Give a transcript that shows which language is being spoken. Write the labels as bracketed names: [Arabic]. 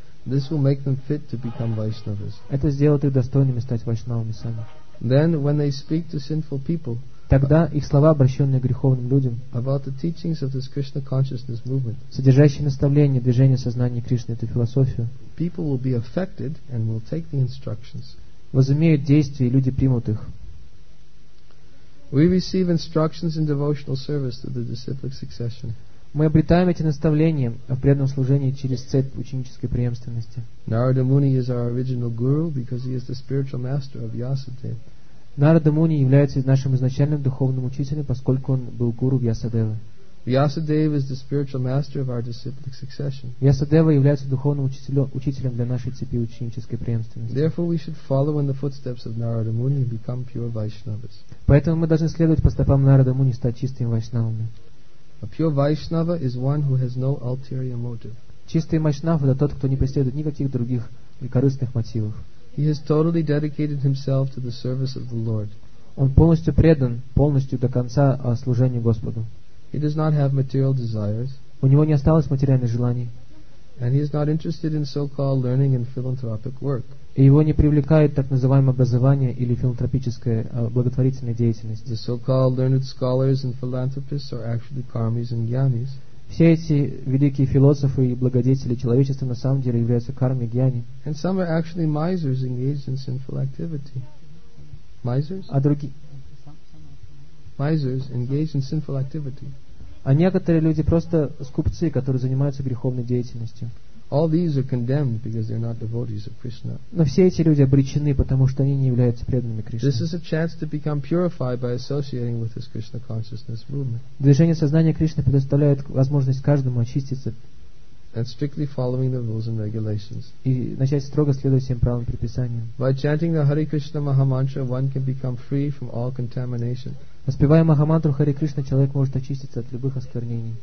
[English] This will make them fit to become Vaishnavas. [Russian] Это сделает их достойными стать вайшнавами сами. [English] Then when they speak to sinful people, [Russian] тогда их слова, обращенные к греховным людям, [English] about the teachings of this Krishna consciousness movement, [Russian] содержащие наставления движения сознания Кришны, эту философию, [English] people will be affected and will take the instructions. [Russian] Возымеют действие, и люди примут их. [English] We receive instructions in devotional service through the disciplic succession. [Russian] Мы обретаем эти наставления о преданном служении через цепь ученической преемственности. [English] Narada Muni is our original guru because he is the spiritual master of Vyasadeva. [Russian] Narada Muni является нашим изначальным духовным учителем, поскольку он был гуру Вьясадевы. [English] Vyasadeva is the spiritual master of our disciplic succession. [Russian] Vyasadeva является духовным учителем для нашей цепи ученической преемственности. [English] Therefore, we should follow in the footsteps of Narada Muni and become pure Vaishnavas. [Russian] Поэтому мы должны следовать по стопам Нарада Муни и стать чистыми вайшнавами. [English] A pure Vaishnava is one who has no ulterior motive. [Russian] Чистый вайшнав — это тот, кто не преследует никаких других или корыстных мотивов. [English] He has totally dedicated himself to the service of the Lord. [Russian] Он полностью предан, полностью до конца служению Господу. [English] He does not have material desires. [Russian] У него не осталось материальных желаний. [English] And he is not interested in so-called learning and philanthropic work. [Russian] И его не привлекает так называемое образование или филантропическая благотворительная деятельность. [English] The so-called learned scholars and philanthropists are actually karmis and gyanis. [Russian] Все эти великие философы и благодетели человечества на самом деле являются карми и гьяни. [English] And some are actually misers engaged in sinful activity. Misers? [Russian] А другие? [English] Misers engaged in sinful activity. [Russian] А некоторые люди просто скупцы, которые занимаются греховной деятельностью. [English] All these are condemned because they're not devotees of Krishna. [Russian] Но все эти люди обречены, потому что они не являются преданными Кришне. [English] This is a chance to become purified by associating with this Krishna consciousness movement. [Russian] Движение сознания Кришны предоставляет возможность каждому очиститься. [English] And strictly following the rules and regulations. [Russian] И начать строго следовать всем правилам предписаниям. [English] By chanting the Hare Krishna Mahamantra, one can become free from all contamination. [Russian] Воспевая Махамантру Харе Кришна, человек может очиститься от любых осквернений.